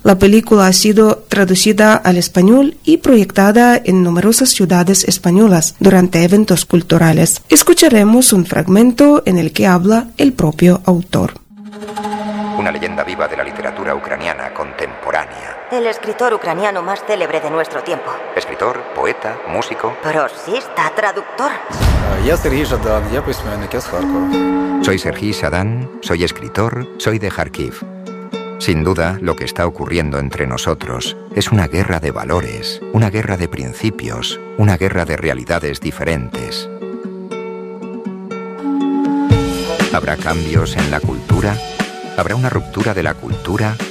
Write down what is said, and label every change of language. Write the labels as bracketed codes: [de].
[es] La película ha sido traducida al español y proyectada en numerosas ciudades españolas durante eventos culturales. Escucharemos un fragmento en el que habla el propio autor. Una leyenda viva de la literatura ucraniana contemporánea. El escritor ucraniano más célebre de nuestro tiempo. Escritor, poeta, músico. Prosista, traductor. [uk] Я Сергій Жадан, я письменник з Харкова. [es] Soy Serhii Zadan, soy escritor, soy de Kharkiv. Sin duda, lo que está ocurriendo entre nosotros es una guerra de valores, una guerra de principios, una guerra de realidades diferentes. ¿Habrá cambios en la cultura? ¿Habrá una ruptura de la cultura?